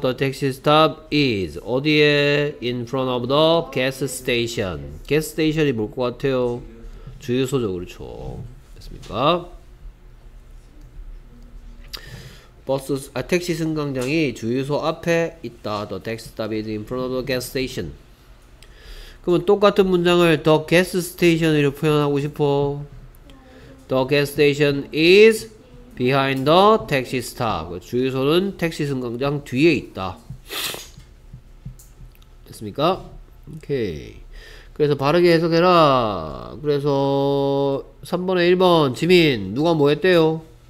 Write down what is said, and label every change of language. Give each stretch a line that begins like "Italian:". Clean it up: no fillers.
English: The taxi stop is
Korean: 어디에?
English: In front of the gas station.
Korean: Gas station이 뭘 것 같아요? 주유소죠. 그렇죠. 됐습니까? 버스 아 택시 승강장이 주유소 앞에 있다.
English: The taxi stop is in front of the gas station.
Korean: 그러면 똑같은 문장을 the gas station으로 표현하고 싶어.
English: The gas station is behind the taxi stop.
Korean: 주유소는 택시 승강장 뒤에 있다. 됐습니까? 오케이. 그래서 바르게 해석해라. 그래서 3번에 1번 지민 누가 뭐 했대요?